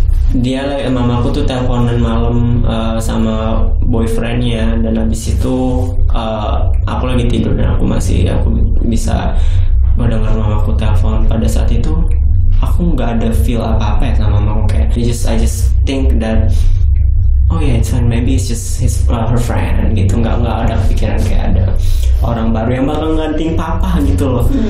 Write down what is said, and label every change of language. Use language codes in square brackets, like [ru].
[id] Dia, mamaku tuh teleponan malam sama boyfriendnya, dan abis itu aku lagi tidur dan aku bisa mendengar mamaku telepon. Pada saat itu aku nggak ada feel apa-apa ya sama mamaku, kayak [en] I just think that oh yeah, it's fine, maybe it's just his her friend [id] gitu. Nggak ada pikiran kayak ada orang baru yang bakal nganting papa gitu loh.